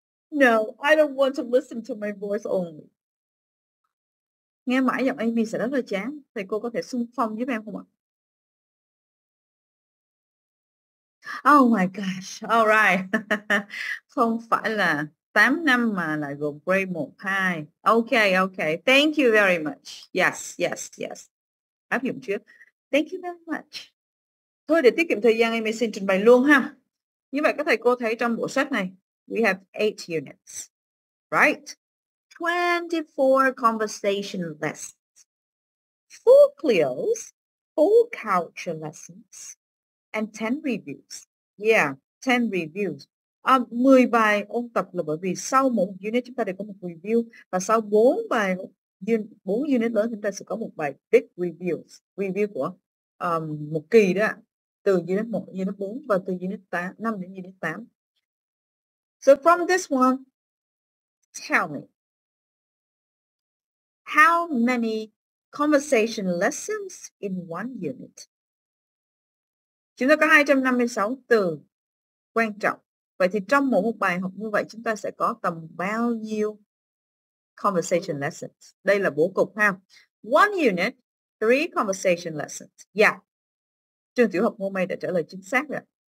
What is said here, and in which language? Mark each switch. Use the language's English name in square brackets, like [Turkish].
[English] No, I don't want to listen to my voice only. [Vietnamese] Nghe mãi giọng Amy sẽ rất là chán. Thầy cô có thể xung phong giúp em không ạ? [English] Oh my gosh, all right. [Vietnamese] Không phải là 8 năm mà là gồm grade 1, 2. [English] Okay. Thank you very much. Yes. [Vietnamese] Áp dụng trước. [English] Thank you very much. [Vietnamese] Thôi để tiết kiệm thời gian, Amy xin trình bày luôn ha. Như vậy các thầy cô thấy trong bộ sách này, [English] we have 8 units, right? 24 conversation lessons, 4 clios, 4 culture lessons, and 10 reviews. Yeah, 10 reviews. [Vietnamese] 10 bài ôn tập là bởi vì sau một unit chúng ta sẽ có một review, và sau 4 bài 4 unit lớn chúng ta sẽ có một bài big reviews, review của một kỳ đó ạ. Từ unit 1, unit 4 và từ unit 8, 5 đến unit 8. [English] So from this one, tell me, how many conversation lessons in one unit? [Vietnamese] Chúng ta có 256 từ quan trọng. Vậy thì trong một bài học như vậy, chúng ta sẽ có tầm bao nhiêu conversation lessons? Đây là bố cục ha. [English] One unit, 3 conversation lessons. [Vietnamese] Yeah. Trường tiểu học Ngô Mây đã trả lời chính xác rồi.